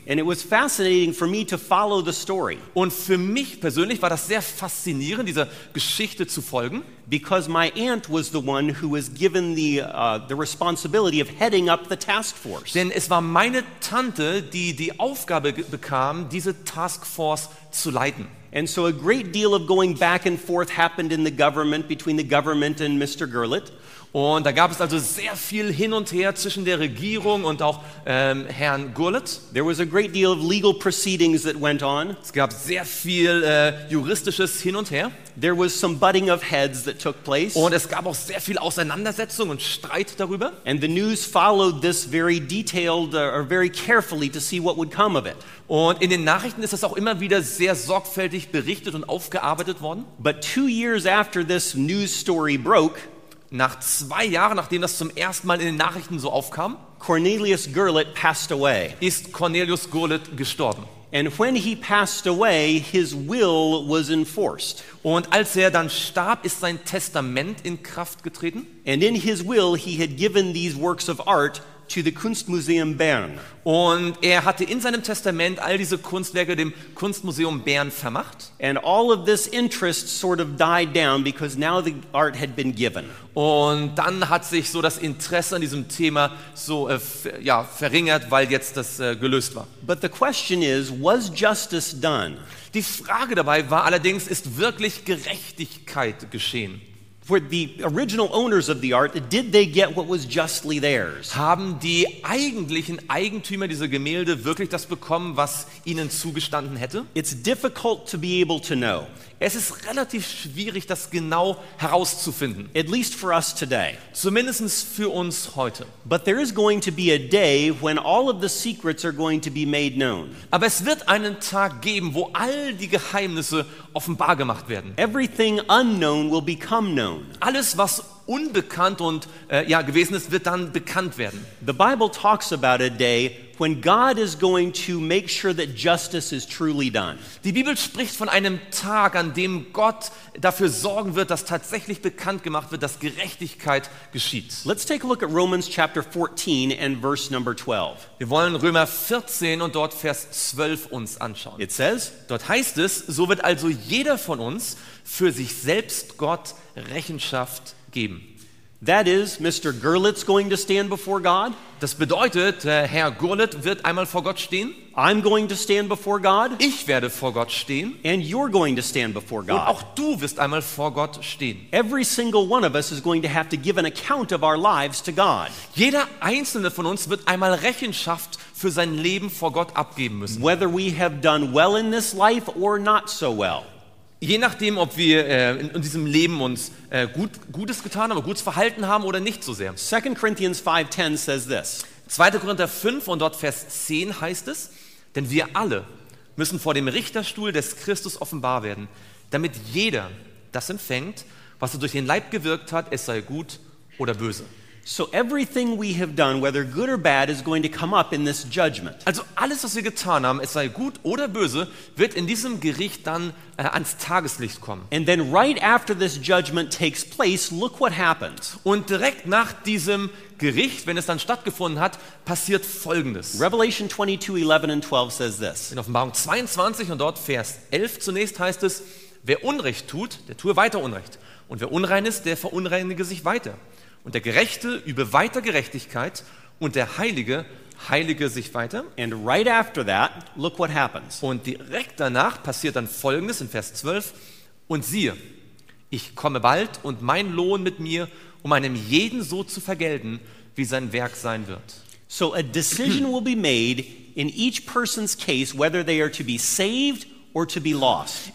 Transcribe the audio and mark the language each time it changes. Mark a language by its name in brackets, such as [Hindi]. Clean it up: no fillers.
[English] And it was fascinating for me to follow the story. [German] Und für mich persönlich war das sehr faszinierend, dieser Geschichte zu folgen. [English] because my aunt was the one who was given the responsibility of heading up the task force. [German] Denn es war meine Tante, die die Aufgabe bekam, diese Task Force zu leiten. [English] And so a great deal of going back and forth happened in the government between the government and Mr. Gurlitt. [German] Und da gab es also sehr viel hin und her zwischen der Regierung und auch Herrn Gurlitt. [English] There was a great deal of legal proceedings that went on. [German] Es gab sehr viel juristisches hin und her. [English] There was some butting of heads that took place. [German] Und es gab auch sehr viel Auseinandersetzung und Streit darüber. [English] And the news followed this very detailed or very carefully to see what would come of it. [German] Und in den Nachrichten ist das auch immer wieder sehr sorgfältig berichtet und aufgearbeitet worden. [English] But 2 years after this news story broke, [German] nach 2 Jahren, nachdem das zum ersten Mal in den Nachrichten so aufkam, [English] Cornelius Gurlitt passed away. [German] Ist Cornelius Gurlitt gestorben. [English] And when he passed away, his will was enforced. [German] Und als er dann starb, ist sein Testament in Kraft getreten. [English] And in his will, he had given these works of art to the Kunstmuseum Bern. [German] Und er hatte in seinem Testament all diese Kunstwerke dem Kunstmuseum Bern vermacht. [English] And all of this interest sort of died down because now the art had been given. [German] Und dann hat sich so das Interesse an diesem Thema so verringert, weil jetzt das gelöst war. [English] But the question is, was justice done? [German] Die Frage dabei war allerdings, ist wirklich Gerechtigkeit geschehen? [English] For the original owners of the art, did they get what was justly theirs? [German] Haben die eigentlichen Eigentümer dieser Gemälde wirklich das bekommen, was ihnen zugestanden hätte? [English] It's difficult to be able to know. [German] Es ist relativ schwierig, das genau herauszufinden. [English] At least for us today. [German] Zumindest für uns heute. [English] But there is going to be a day when all of the secrets are going to be made known. [German] Aber es wird einen Tag geben, wo all die Geheimnisse offenbar gemacht werden. [English] Everything unknown will become known. [German] Alles, was unbekannt und gewesen ist, wird dann bekannt werden. [English] The Bible talks about a day when God is going to make sure that justice is truly done. [German] Die Bibel spricht von einem Tag, an dem Gott dafür sorgen wird, dass tatsächlich bekannt gemacht wird, dass Gerechtigkeit geschieht. [English] Let's take a look at Romans chapter 14 and verse number 12. [German] Wir wollen Römer 14 und dort Vers 12 uns anschauen. [English] It says, [German] dort heißt es, so wird also jeder von uns für sich selbst Gott Rechenschaft geben. [English] That is, Mr. Gurlitt's going to stand before God. [German] Das bedeutet, Herr Gurlitt wird einmal vor Gott stehen. [English] I'm going to stand before God. [German] Ich werde vor Gott stehen. [English] And you're going to stand before God. [German] Und auch du wirst einmal vor Gott stehen. [English] Every single one of us is going to have to give an account of our lives to God. [German] Jeder einzelne von uns wird einmal Rechenschaft für sein Leben vor Gott abgeben müssen. [English] Whether we have done well in this life or not so well. [German] Je nachdem, ob wir in diesem Leben uns Gutes getan haben, gutes Verhalten haben oder nicht so sehr. [English] 2. Korinther 5:10 says this. [German] 2. Korinther 5 und dort Vers 10 heißt es, denn wir alle müssen vor dem Richterstuhl des Christus offenbar werden, damit jeder das empfängt, was er durch den Leib gewirkt hat, es sei gut oder böse. [English] So everything we have done, whether good or bad, is going to come up in this judgment. [German] Also alles, was wir getan haben, es sei gut oder böse, wird in diesem Gericht dann ans Tageslicht kommen. [English] And then right after this judgment takes place, look what happens. [German] Und direkt nach diesem Gericht, wenn es dann stattgefunden hat, passiert Folgendes. [English] Revelation 22:11-12 says this. [German] In Offenbarung 22 und dort Vers 11 zunächst heißt es, wer Unrecht tut, der tue weiter Unrecht. Und wer unrein ist, der verunreinige sich weiter. Und der Gerechte übe weiter Gerechtigkeit und der Heilige heilige sich weiter. [English] And right after that, look what happens. [German] Und direkt danach passiert dann Folgendes in Vers 12. Und siehe, ich komme bald und mein Lohn mit mir, um einem jeden so zu vergelten, wie sein Werk sein wird. [English] So a decision will be made in each person's case, whether they are to be saved or to be lost.